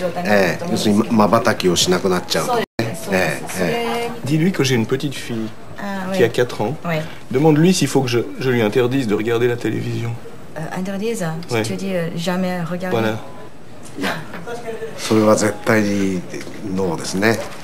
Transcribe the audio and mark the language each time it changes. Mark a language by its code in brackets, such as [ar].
[ja] ええ、要するにまばたきをしなくなっちゃう。 [fr] Dis-lui que j'ai une petite fille qui a 4 ans. Demande-lui s'il faut que je lui interdise de regarder la télévision. Interdise? Tu dis jamais regarder. Voilà. [ja] それは絶対にノーですね。